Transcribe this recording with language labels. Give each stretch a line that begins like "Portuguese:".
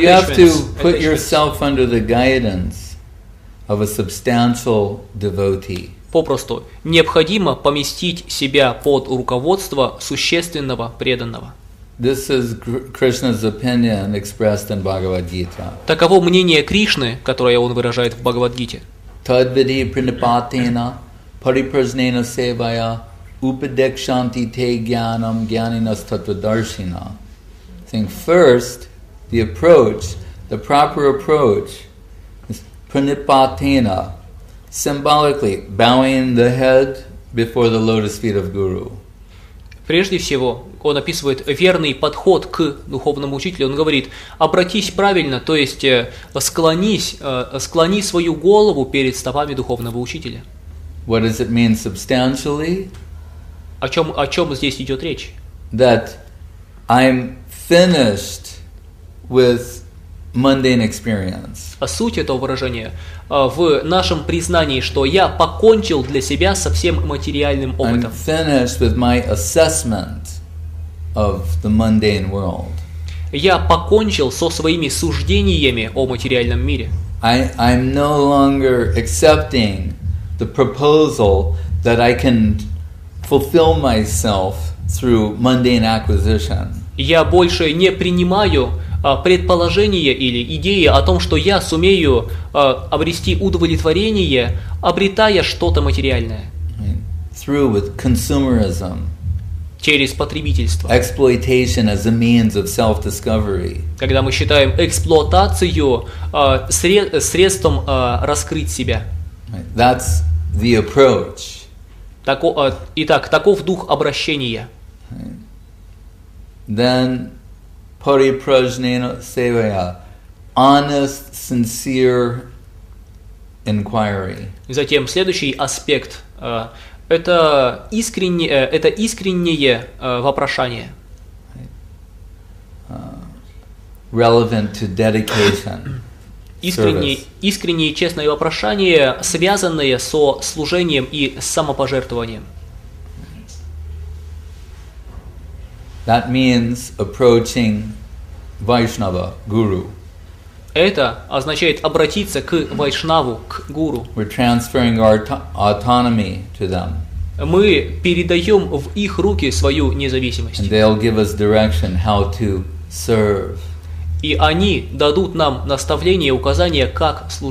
English: You have to put yourself under the guidance of a substantial devotee.
Russian: Попросту необходимо поместить себя под руководство существенного преданного.
English: This is Krishna's opinion expressed in Bhagavad Gita.
Russian: Таково мнение Кришны, которое он выражает в Бхагавад-гите.
Sanskrit: Tadvidhi pranipatena pariprajnena sevaya upadekshanti te jnanam jnaninas tattvadarshina.
English: I think first, the approach, the proper approach is pranipatena, symbolically bowing the head before the lotus feet of Guru.
Russian: Прежде всего, он описывает верный подход к духовному учителю. Он говорит, обратись правильно, то есть склони свою голову перед стопами духовного учителя.
English: What does it mean substantially?
Russian: О чем здесь идет речь?
English: That I'm finished with mundane experience.
Russian: А суть этого выражения в нашем признании, что я покончил для себя со всем материальным опытом.
English: I'm finished with my assessment of the mundane world.
Russian: Я покончил со своими суждениями о материальном мире.
English: I'm no longer accepting the proposal that I can fulfill myself through mundane acquisition.
Russian: Я больше не принимаю предположение или идея о том, что я сумею обрести удовлетворение, обретая что-то материальное.
English: Through with consumerism.
Russian: Через потребительство.
English: Exploitation as a means of self-discovery.
Russian: Когда мы считаем эксплуатацию средством раскрыть себя.
English: That's the approach.
Russian: Итак, таков дух обращения.
English: Then
Sanskrit: Parīprajñāna sevaya,
English: honest, sincere inquiry.
Russian: Затем следующий аспект это искреннее вопрошание.
English: Relevant to dedication.
Russian: Искреннее и честное вопрошание, связанное со служением и самопожертвованием.
English: That means approaching Vaishnava, guru.
Russian: Это означает обратиться к Вайшнаву, к гуру.
English: We're transferring our autonomy to them.
Russian: Мы передаем в их руки свою независимость.
English: And they'll give us direction how to serve.
Russian: И они дадут нам наставление, указание, как